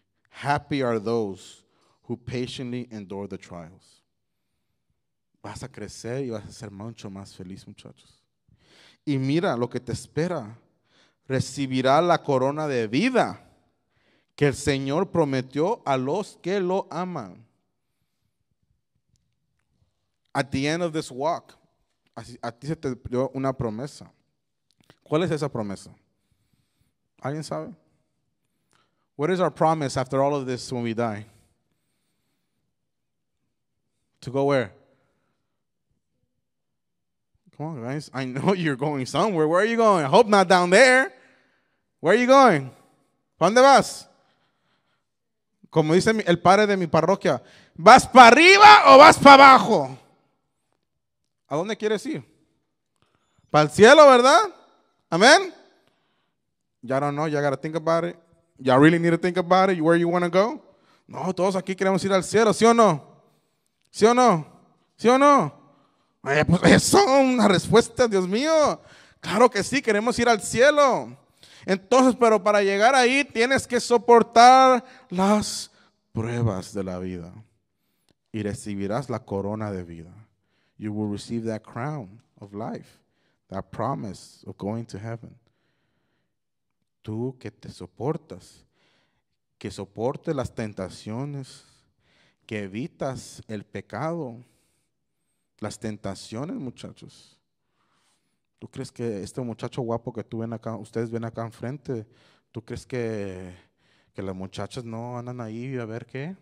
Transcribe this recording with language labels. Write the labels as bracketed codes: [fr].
[en] Happy are those who patiently endure the trials. [es] Vas a crecer y vas a ser mucho más feliz, muchachos. Y mira lo que te espera. Recibirá la corona de vida que el Señor prometió a los que lo aman. [en] At the end of this walk, [es] a ti se te dio una promesa. ¿Cuál es esa promesa? ¿Alguien sabe? [en] What is our promise after all of this when we die? To go where? Come on, guys. I know you're going somewhere. Where are you going? I hope not down there. Where are you going? [es] ¿Dónde vas? Como dice el padre de mi parroquia, ¿vas para arriba o vas para abajo? ¿A dónde quieres ir? ¿Para el cielo, verdad? Amén. [en] Ya no, no, ya gotta think about it. Ya really need to think about it, where you want to go. [es] No, todos aquí queremos ir al cielo, ¿sí o no? ¿Sí o no? ¿Sí o no? Pues eso, una respuesta, Dios mío. Claro que sí, queremos ir al cielo. Entonces, pero para llegar ahí tienes que soportar las pruebas de la vida. Y recibirás la corona de vida. [en] You will receive that crown of life, that promise of going to heaven. [es] Tú que te soportas, que soportes las tentaciones, que evitas el pecado, las tentaciones, muchachos. ¿Tú crees que este muchacho guapo que tú ven acá, ustedes ven acá enfrente, tú crees que las muchachas no andan ahí a ver qué?